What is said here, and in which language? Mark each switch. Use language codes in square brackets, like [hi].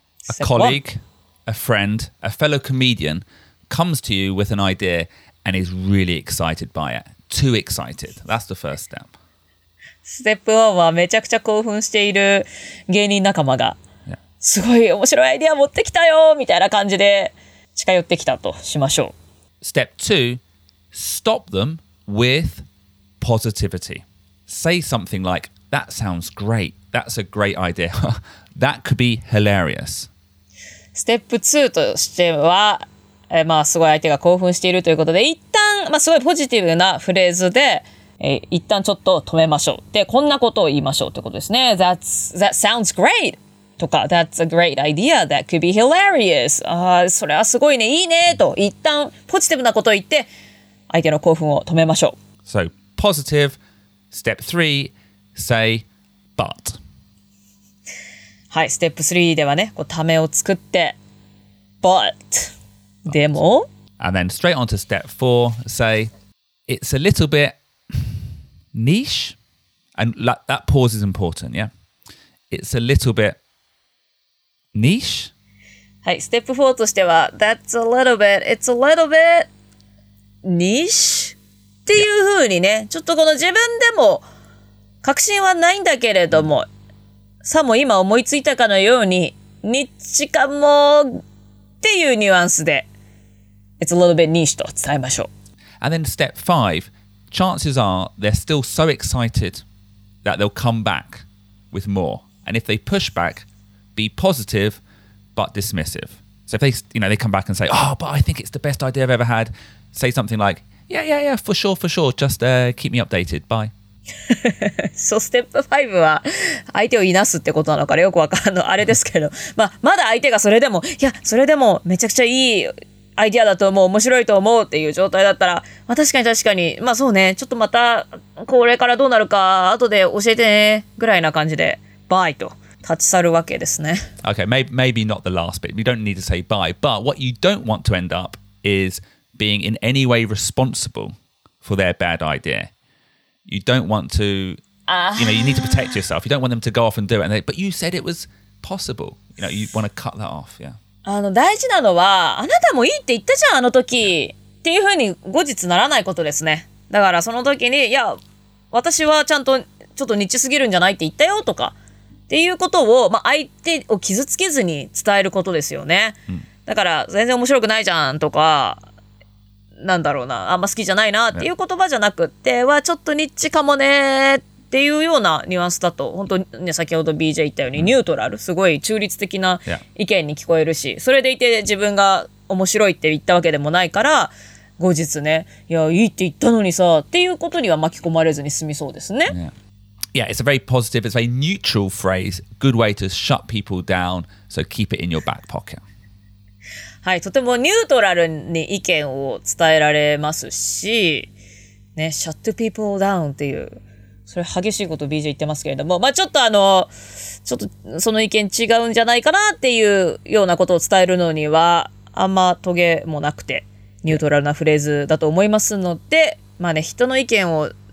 [en] A colleague, a friend, a fellow comedian comes to you with an idea and is really excited by it. Too excited. That's the first step. Step one [ja] はめちゃくちゃ興奮している芸人仲間がすごい面白いアイデア持ってきたよみたいな感じで近寄ってきたとしましょう。 [en] Step two, stop them with positivity. Say something like, that sounds great. That's a great idea. That could be hilarious. [ja] Step 2としては、まあすごい相手が興奮しているということで、一旦、まあすごいポジティブなフレーズで、一旦ちょっと止めましょう。で、こんなことを言いましょうということですね。 [en] That sounds great! とか、That's a great idea. That could be hilarious. [ja] ああ、それはすごいね。いいねと、一旦ポジティブなことを言って、相手の興奮を止めましょう。 [en] So, positive. Step 3, say... But. [ja] はい、ステップ3ではね、こうためを作って But. でも [en] And then straight on to step 4, say It's a little bit niche And that pause is important, yeah? It's a little bit niche [ja] はい、ステップ4としては [en] That's a little bit, it's a little bit niche [ja] っていう風にね、yeah. ちょっとこの自分でも確信はないんだけれども、mm. さも今思いついたかのようにニッチかもっていうニュアンスで [en] It's a little bit niche [ja] と伝えましょう。 [en] And then step 5, chances are they're still so excited that they'll come back with more. And if they push back, be positive but dismissive. So if they, you know, they come back and say, oh, but I think it's the best idea I've ever had, say something like, yeah, yeah, yeah, for sure, for sure. Just keep me updated. Bye. So step 5 [ja] は相手をいなすってことなのかよくわかんのあれですけど、まあ、まだ相手がそれでも、いや、それでもめちゃくちゃいいアイディアだと思う、面白いと思うっていう状態だったら、まあ、確かに確かに、まあそうね、ちょっとまたこれからどうなるか後で教えてねぐらいな感じで、バイと立ち去るわけですね。 [en] Okay, maybe not the last bit. We don't need to say bye, but what you don't want to end up is being in any way responsible for their bad idea. You don't want to, you know, you need to protect yourself. You don't want them to go off and do it. And they, but you said it was possible. You know, you want to cut that off, yeah. [ja] あの大事なのはあなたもいいって言ったじゃんあの時っていう風に後日ならないことですね。だからその時にいや私はちゃんとちょっとニッチすぎるんじゃないって言ったよとかっていうことを、まあ、相手を傷つけずに伝えることですよね、うん、だから全然面白くないじゃんとかなんだろうなあんま好きじゃないなっていう言葉じゃなくて、ね、はちょっとニッチかもねっていうようなニュアンスだと本当に先ほど BJ 言ったようにニュートラル、すごい中立的な意見に聞こえるし、それでいて自分が面白いって言ったわけでもないから後日ね、いやいいって言ったのにさっていうことには巻き込まれずに済みそうですね。 [en] Yeah, it's a very positive, it's a very neutral phrase, good way to shut people down, so keep it in your back pocket. [ja] はい、とてもニュートラルに意見を伝えられますしね、 [en] shut people down [ja] っていうそれ激しいこと BJ 言ってますけれども、まあ、ちょっとあのちょっとその意見違うんじゃないかなっていうようなことを伝えるのにはあんまトゲもなくてニュートラルなフレーズだと思いますので、まあね、人の意見を